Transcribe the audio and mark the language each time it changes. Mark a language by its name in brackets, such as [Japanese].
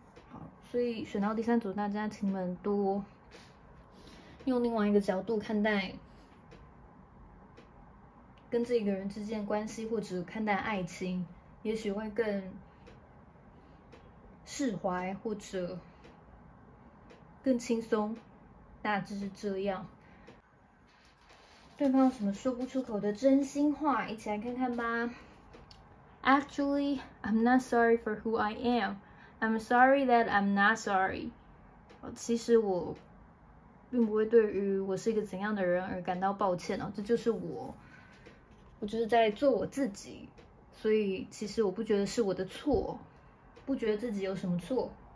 [Chinese] 好，所以选到第三组，大家请你们多用另外一个角度看待跟这个人之间的关系，或者看待爱情，也许会更释怀或者更轻松。那就是这样，对方有什么说不出口的真心话，一起来看看吧。 [English] Actually, I'm not sorry for who I am. I'm sorry that I'm not sorry. [Chinese] 其实我并不会对于我是一个怎样的人而感到抱歉哦，这就是我，我就是在做我自己，所以其实我不觉得是我的错，不觉得自己有什么错。